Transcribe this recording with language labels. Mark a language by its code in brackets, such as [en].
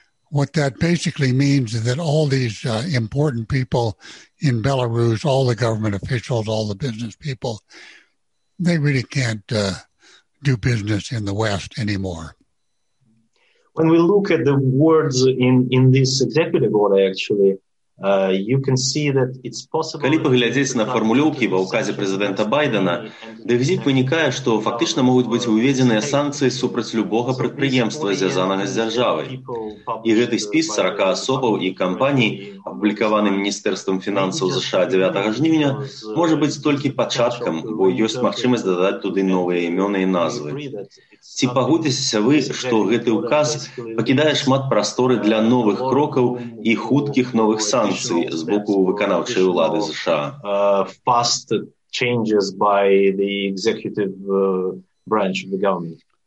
[en] What that basically means is that all these important people in Belarus, all the government officials, all the business people, they really can't do business in the West anymore. When we look at the words in this executive order, actually, you can see that it's possible. [be] Калі паглядзець на фармулёўкі ва ўказе прэзідэнта Байдэна, дык з іх вынікае, што фактычна могуць быць уведзеныя санкцыі супраць любога прадпрыемства, звязанага з дзяржавай. І гэты спіс 40 асобаў і кампаній, апублікаваны Міністэрствам фінансаў ЗША 9 жнівня, можа быць толькі пачаткам, бо ёсць магчымасць дадаць туды новыя імёны і назвы. Ці пагодзіцеся вы, што гэты ўказ пакідае шмат прасторы для новых крокаў і хуткіх новых санкцый з боку выканаўчай улады ЗША? [en] Fast changes by the executive branch of the government.